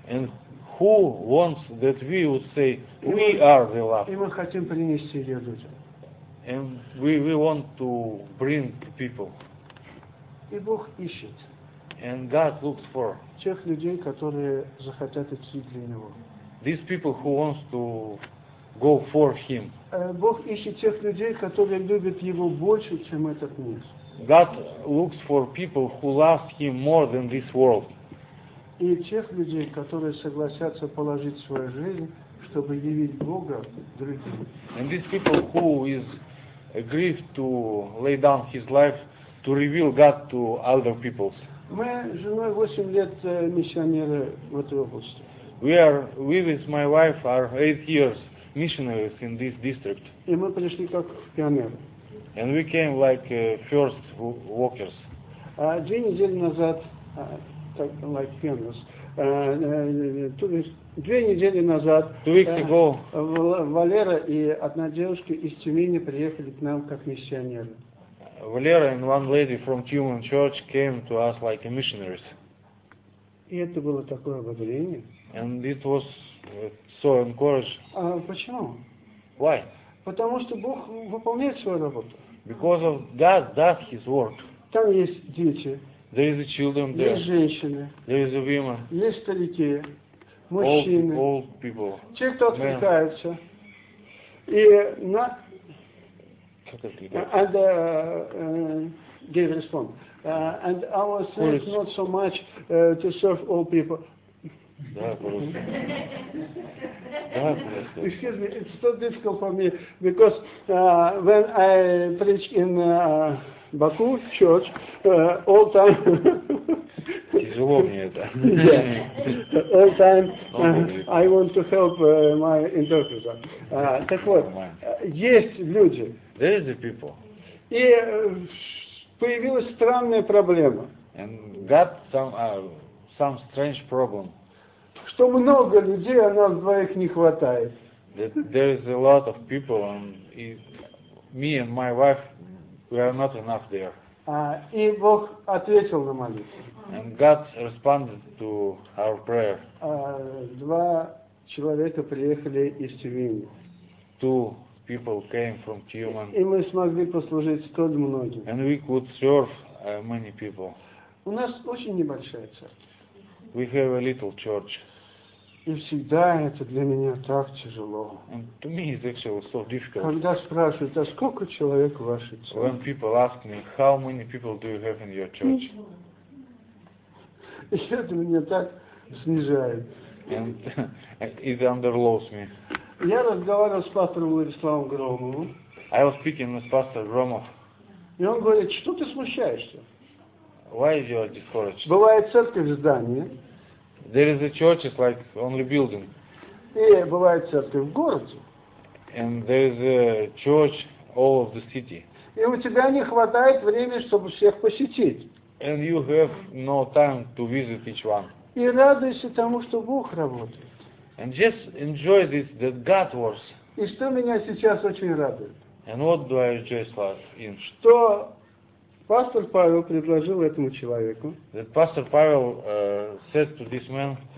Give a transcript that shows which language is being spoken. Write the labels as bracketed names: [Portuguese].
[English] And who wants that we would say we are the love? [Russian] И мы хотим принести ее людям. [English] And we want to bring people. [Russian] И Бог ищет. [English] And God looks for [Russian] тех людей, которые захотят идти для него. [English] These people who wants to go for him. [Russian] Бог ищет тех людей, которые любят его больше, чем этот мир. [English] God looks for people who love him more than this world. [Russian] И тех людей, которые согласятся положить свою жизнь, чтобы явить Бога другим. [English] And these people who is agreed to lay down his life to reveal God to other peoples. [Russian] Мы с женой 8 лет миссионеры в этой области. [English] We with my wife are 8 years missionaries in this district. [Russian] И мы пришли как пионеры. [English] And we came like first walkers. [Russian] А 2 недели назад, [English] like pioneers, [Russian] 2 недели назад, [English] 2 weeks ago, [Russian] Валера и одна девушка из Тюмени приехали к нам как миссионеры. [English] Valera and one lady from Tumen Church came to us like a missionaries. [Russian] И это было такое ободрение. [English] And it was so encouraged. [Russian] А почему? [English] Why? [Russian] Потому что Бог выполняет свою работу. [English] Because of God does his work. [Russian] Там есть дети. [English] There is a children there. [Russian] Есть женщины. [English] There is a women. [Russian] Есть старики. Мужчины. [English] Old people. [Russian] Те, кто откликается. [English] И на and gave response. And our thing is not so much to serve all people. Excuse me, it's so difficult for me because when I preach in Baku church all time. [Russian] Тяжело мне это. [English] Yeah. All time I want to help my interpreter. [Russian] Так вот, есть люди. [English] There is the people. [Russian] И появилась странная проблема. [English] And got some strange problem. [Russian] Что много людей, а нас двоих не хватает. [English] That there is a lot of people and me and my wife we are not enough there. [Russian] И Бог ответил на молитву. [English] And God responded to our prayer. [Russian] 2 человека приехали из Тюмени. [English] 2 people came from Tumen. [Russian] И мы смогли послужить столь многим. [English] And we could serve many people. [Russian] У нас очень небольшая церковь. [English] We have a little church. [Russian] И всегда это для меня так тяжело. [English] And to me it's actually so difficult. [Russian] Когда спрашивают, а сколько человек в вашей церкви? [English] When people ask me, how many people do you have in your church? [Russian] И это меня так снижает. [English] And it underlows me. [Russian] Я разговаривал с пастором Владиславом Громовым. [English] I was speaking with Pastor Громов. [Russian] И он говорит, что ты смущаешься? [English] Why you are discouraged? [Russian] Бывает церковь в здании. [English] There is a church like only building. [Russian] И бывает церковь в городе. [English] And there is a church all of the city. [Russian] И у тебя не хватает времени, чтобы всех посетить. [English] And you have no time to visit each one. [Russian] И радуйся тому, что Бог работает. [English] And just enjoy this that God works. [Russian] И что меня сейчас очень радует? [English] And what do I rejoice last in? [Russian] Что пастор Павел предложил этому человеку? [English] That pastor Павел said to this man.